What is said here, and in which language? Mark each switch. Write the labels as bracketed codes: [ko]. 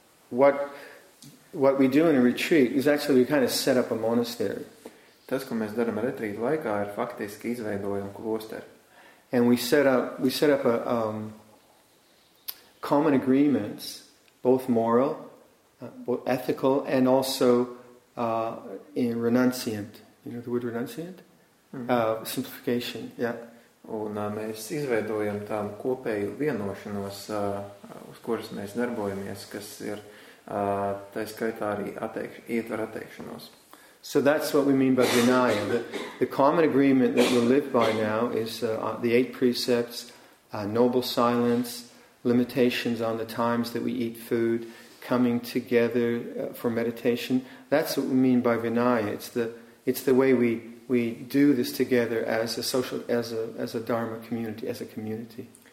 [en] What we do in a retreat is actually we kind of set up a monastery. [lv] Tas, ko mēs daram retrīta laikā, ir faktiski izveidojam klosteri. [en] And we set up a common agreements, both moral, both ethical, and also in renunciant. You know the word renunciant? Mm-hmm. Simplification, yeah. [lv] Un mēs izveidojam tām kopēju vienošanos, uz kuras mēs darbojamies, kas ir tai skaitā arī ietver atteikšanos. [en] So that's what we mean by Vinaya. The common agreement that we live by now is the eight precepts, noble silence, limitations on the times that we eat food, coming together for meditation. That's what we mean by Vinaya. It's the way we do this together as a social, as a Dharma community, as a community.